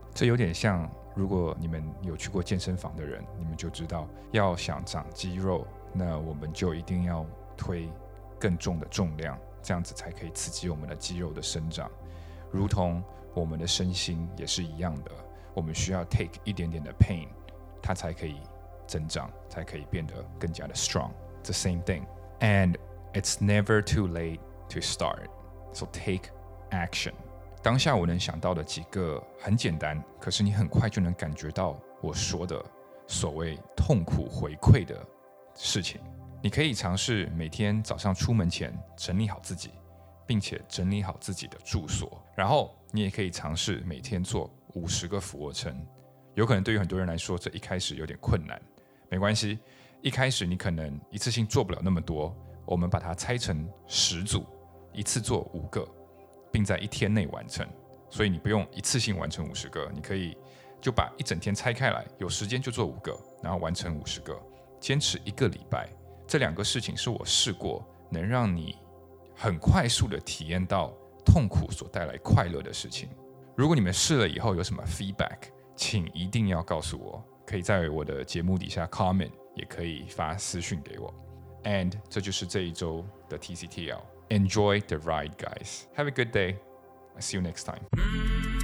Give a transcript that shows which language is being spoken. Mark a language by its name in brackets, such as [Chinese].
[Chinese] 这有点像如果你们有去过健身房的人，你们就知道要想长肌肉，那我们就一定要推更重的重量，这样子才可以刺激我们的肌肉的生长。如同我们的身心也是一样的，我们需要 [English] take [Chinese] 一点点的 [English] pain， [Chinese] 它才可以增长，才可以变得更加的 [English] strong。 The same thing. And it's never too late to start. So take action. [Chinese] 当下我能想到的几个很简单，可是你很快就能感觉到我说的所谓痛苦回馈的事情。你可以尝试每天早上出门前整理好自己，并且整理好自己的住所。然后你也可以尝试每天做50个俯卧撑。有可能对于很多人来说这一开始有点困难，没关系，一开始你可能一次性做不了那么多，我们把它拆成10组，一次做5个，并在一天内完成。所以你不用一次性完成50个，你可以就把一整天拆开来，有时间就做5个，然后完成50个，坚持一个礼拜。这两个事情是我试过能让你很快速的体验到痛苦所带来快乐的事情。如果你们试了以后有什么 [English] feedback， [Chinese] 请一定要告诉我，可以在我的节目底下 [English] comment， [Chinese] 也可以发私讯给我。 [English] And [Chinese] 这就是这一周的 [English] TCTL。Enjoy the ride, guys. Have a good day. I'll see you next time.